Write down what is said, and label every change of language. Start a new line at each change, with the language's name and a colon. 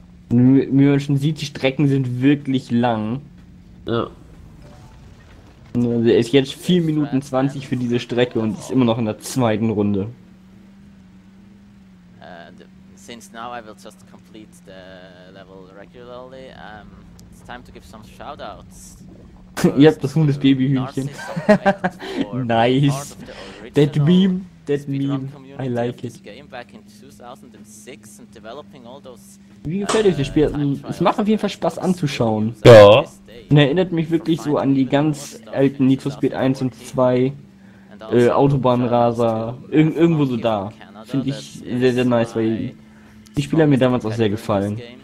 German: Wie man schon sieht, die Strecken sind wirklich lang. Ja. Also er ist jetzt 4 Minuten 20 für diese Strecke und ist immer noch in der zweiten Runde.
English: Since now I will just complete the level regularly, it's time to give some shoutouts.
German: Ja, das Huhn ist Babyhühnchen.
English: Nice. That meme. That meme. I like it. Game back in 2006 and developing all those.
German: Wie gefällt euch das Spiel? Es macht auf jeden Fall Spaß anzuschauen. Ja. Und erinnert mich wirklich so an die ganz alten Need for Speed 1 und 2, Autobahnraser, irgendwo so da. Finde ich sehr, sehr nice, weil die Spiele haben mir damals auch sehr gefallen.